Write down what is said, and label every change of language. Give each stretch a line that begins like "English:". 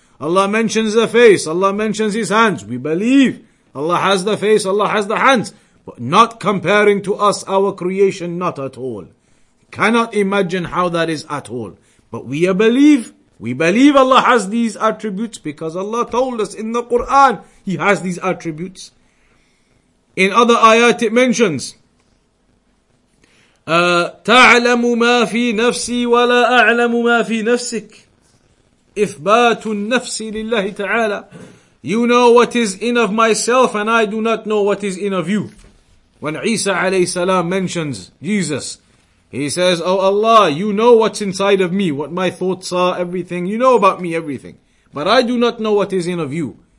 English: Allah mentions the face, Allah mentions His hands. We believe Allah has the face, Allah has the hands. But not comparing to us, our creation, not at all. Cannot imagine how that is at all. But we believe Allah has these attributes because Allah told us in the Quran He has these attributes. In other ayat it mentions,
Arabic: تعلم ما في نفسي ولا أعلم ما في نفسك إثبات النفس لله تعالى.
English: You know what is in of myself and I do not know what is in of you. When Isa alayhi salam mentions Jesus, he says, oh Allah, you know what's inside of me, what my thoughts are, everything. You know about me, everything. But I do not know what is in of you.